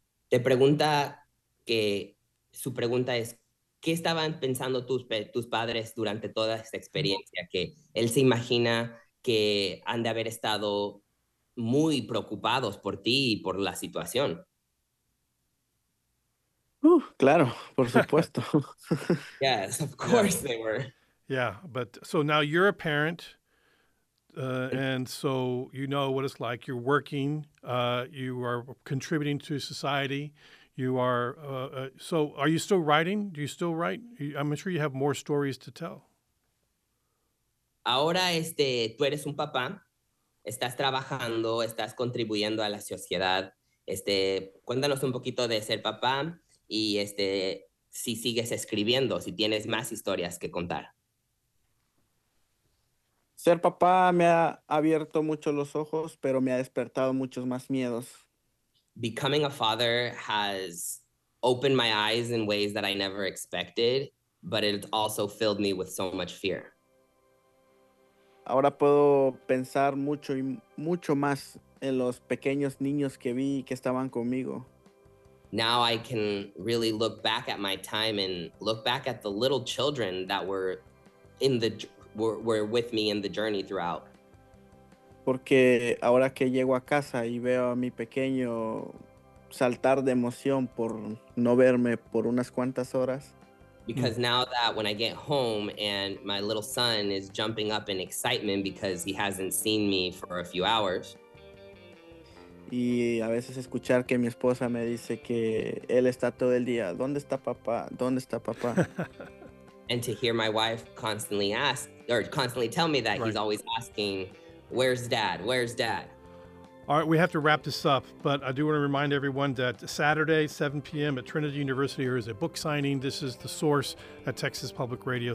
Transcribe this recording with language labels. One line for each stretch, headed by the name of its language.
Spanish: Te pregunta que su pregunta es, ¿qué estaban pensando tus padres durante toda esta experiencia? Que él se imagina que han de haber estado muy preocupados por ti y por la situación. Claro, por supuesto.
English: Yes, of course they were. Yeah, but so now you're a parent, and so you know what it's like. You're working, you are contributing to society. You are, so are you still writing? Do you still write? I'm sure you have more stories to tell.
Spanish: Ahora, tú eres un papá, estás trabajando, estás contribuyendo a la sociedad. Cuéntanos un poquito de ser papá y si sigues escribiendo, si tienes más historias que contar. Ser papá me ha abierto mucho los ojos, pero me ha despertado muchos más miedos.
English: Becoming a father has opened my eyes in ways that I never expected, but it also filled me with so much fear.
Spanish: Ahora puedo pensar mucho y mucho más en los pequeños niños que vi que estaban conmigo.
English: Now I can really look back at my time and look back at the little children that were with me in the journey throughout.
Spanish: Porque ahora que llego a casa y veo a mi pequeño saltar de emoción por no verme por unas cuantas horas.
English: Because now that when I get home and my little son is jumping up in excitement because he hasn't seen me for a few hours.
Spanish: Y a veces escuchar que mi esposa me dice que él está todo el día, ¿dónde está papá? ¿Dónde está papá?
English: And to hear my wife constantly ask, or constantly tell me that, right, he's always asking, where's dad? Where's dad? All right, we have to wrap this up, but I do want to remind everyone that Saturday, 7 p.m. at Trinity University, there is a book signing. This is The Source at Texas Public Radio.